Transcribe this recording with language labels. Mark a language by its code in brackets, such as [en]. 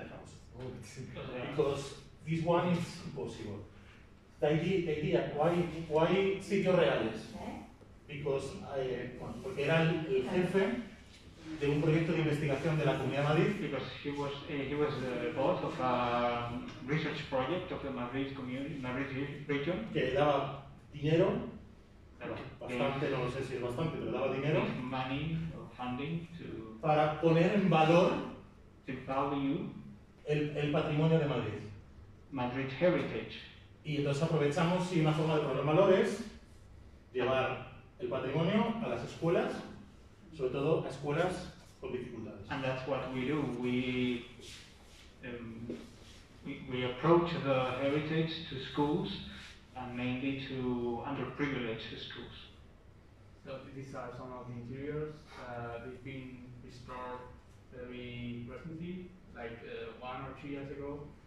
[en] of the house. Because this one is impossible. The idea. Why [es] sitios reales? [en] Because [es] porque era el jefe de un proyecto de investigación de la Comunidad de Madrid. [en] Because he was the boss of a research project of the Madrid community, Madrid region. [es] Que daba dinero, bastante, no lo sé si es bastante, pero daba dinero. [en] Money or funding to [es] para poner en valor [en] to value [es] el patrimonio de Madrid. [en] Madrid heritage. [es] Y entonces aprovechamos y una forma de poner en valor es llevar el patrimonio a las escuelas. Sobre todo a escuelas con dificultades. [en] And that's what we do. We approach the heritage to schools, and mainly to underprivileged schools. So these are some of the interiors. They've been restored very recently, like 1 or 2 years ago.